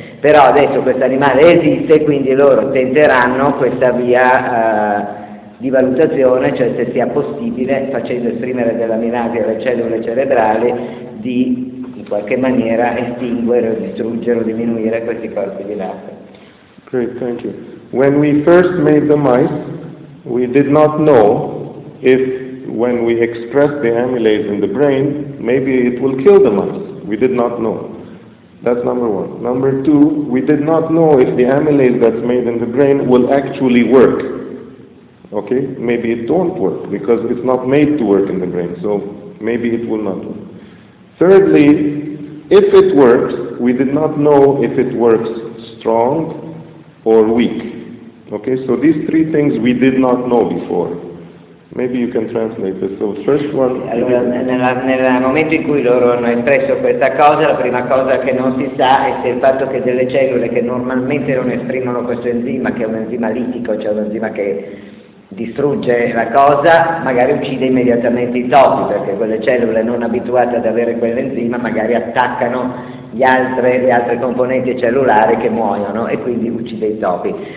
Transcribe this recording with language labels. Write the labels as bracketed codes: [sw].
[it] Però adesso questo animale esiste, quindi loro tenteranno questa via di valutazione, cioè se sia possibile, facendo esprimere dell'amilasi alle cellule cerebrali, di in qualche maniera estinguere o distruggere o diminuire questi corpi di latte. [en] Great, thank you. When we first made the mice, we did not know if when we express the amylase in the brain, maybe it will kill the mice. We did not know. That's number one. Number two, we did not know if the amylase that's made in the brain will actually work. Okay? Maybe it don't work because it's not made to work in the brain. So maybe it will not work. Thirdly, if it works, we did not know if it works strong or weak. Okay, so these three things we did not know before. Maybe you can translate this. So first one. [it] Allora, nel momento in cui loro hanno espresso questa cosa, la prima cosa che non si sa è se il fatto che delle cellule che normalmente non esprimono questo enzima, che è un enzima litico, cioè un enzima che distrugge la cosa, magari uccide immediatamente i topi, perché quelle cellule non abituate ad avere quell'enzima magari attaccano le altre componenti cellulari che muoiono e quindi uccide i topi.